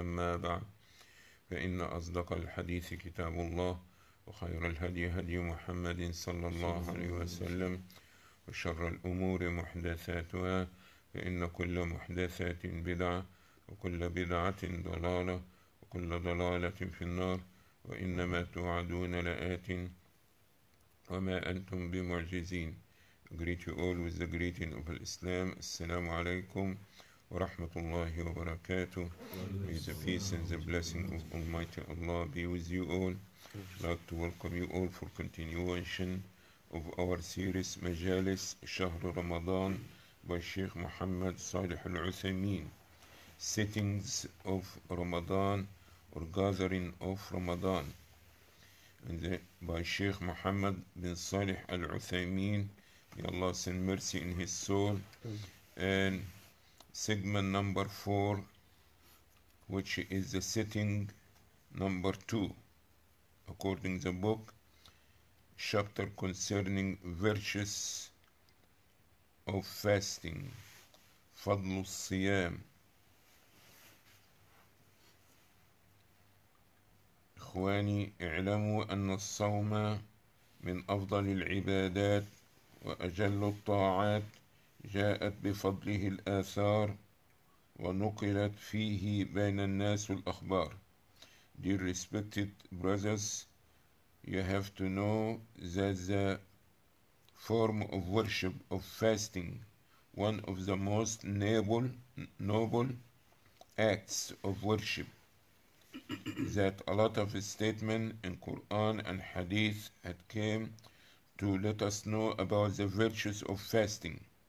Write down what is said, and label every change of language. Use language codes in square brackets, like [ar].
[ar] أما بعد، فإن أصدق الحديث كتاب الله، وخير الهدي هدي محمد صلى الله عليه وسلم، وشر الأمور محدثاتها، فإن كل محدثات بدعة، وكل بدعة ضلالة، وكل ضلالة في النار، وإنما توعدون لآت وما أنتم بمعجزين. [en] Greet you all with the greeting of Islam. [ar] Assalamu alaikum wa rahmatullahi wa barakatuh. [en] May the peace and the blessing of Almighty Allah be with you all. I'd like to welcome you all for continuation of our series Majalis Shahr Ramadan by Sheikh Muhammad Salih Al Uthaymeen. Settings of Ramadan or Gathering of Ramadan. By Sheikh Muhammad bin Salih Al Uthaymeen. May Allah send mercy in his soul. And segment number 4, which is the setting number 2, according to the book, chapter concerning virtues of fasting, Fadlu Siyam. [ar] إخواني اعلموا أن الصوم من أفضل العبادات وأجل الطاعات، جاءت بفضله الآثار ونقلت فيه بين الناس الأخبار. [en] Dear respected brothers, you have to know that the form of worship of fasting, one of the most noble acts of worship, that a lot of statement in Quran and Hadith had came to let us know about the virtues of fasting.